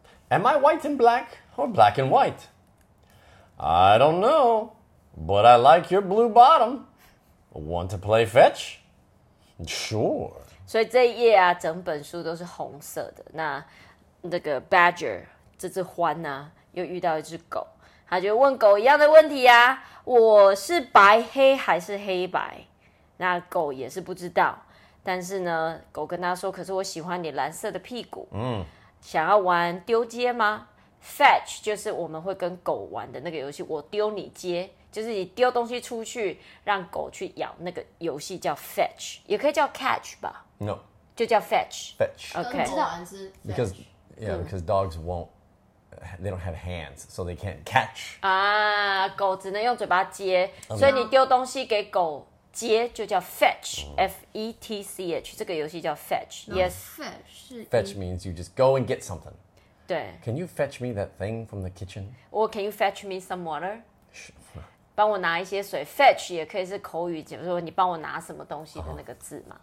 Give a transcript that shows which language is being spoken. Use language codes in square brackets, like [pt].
[en] Am I white and black or black and white? I don't know, but I like your blue bottom. Want to play fetch? Sure. [zh] 所以这一页啊，整本书都是红色的。那个 badger 这只獾呢，又遇到一只狗，他就问狗一样的问题啊，我是白黑还是黑白？那狗也是不知道。但是呢，狗跟他说：“可是我喜欢你蓝色的屁股。” 想要玩丢街吗 ？Fetch 就是我们会跟狗玩的那个游戏，我丢你街，就是你丢东西出去，让狗去咬，那个游戏叫 Fetch， 也可以叫 Catch 吧 [en] ？No， [zh] 就叫 Fetch。 [en] Fetch， OK。 [zh] 知道玩是 Fetch。 [en] Because dogs won't, they don't have hands, so they can't catch. [zh] 啊，狗只能用嘴巴接， okay. 所以你丢东西给狗。接就叫 fetch, F-E-T-C-H, 这个游戏叫 fetch, yes. [en] Fetch means you just go and get something. [zh] 对。 [en] Can you fetch me that thing from the kitchen? Or can you fetch me some water? [zh] 帮我拿一些水 ,fetch 也可以是口语，就是说你帮我拿什么东西的那个字嘛。